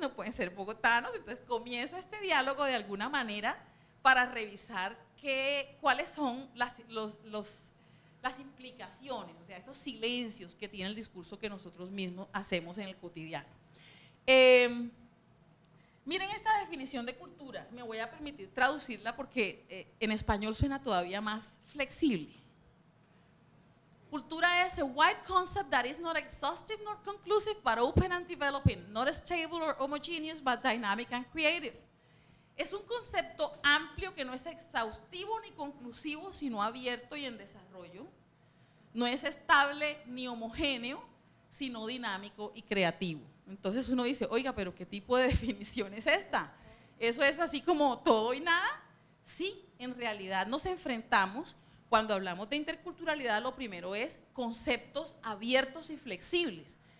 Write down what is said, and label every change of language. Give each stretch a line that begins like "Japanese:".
Spanish: ¿No pueden ser bogotanos? Entonces, comienza este diálogo de alguna manera para revisar cuáles son las implicaciones, o sea, esos silencios que tiene el discurso que nosotros mismos hacemos en el cotidiano. Miren esta definición de cultura, me voy a permitir traducirla porque en español suena todavía más flexible. Cultura es
English: a wide concept that is not exhaustive nor conclusive, but open and developing, not stable or homogeneous, but dynamic and creative.
Spanish: Es un concepto amplio que no es exhaustivo ni conclusivo, sino abierto y en desarrollo. No es estable ni homogéneo, sino dinámico y creativo. Entonces uno dice, oiga, pero ¿qué tipo de definición es esta? ¿Eso es así como todo y nada? Sí, en realidad nos enfrentamos, cuando hablamos de interculturalidad, lo primero es conceptos abiertos y flexibles.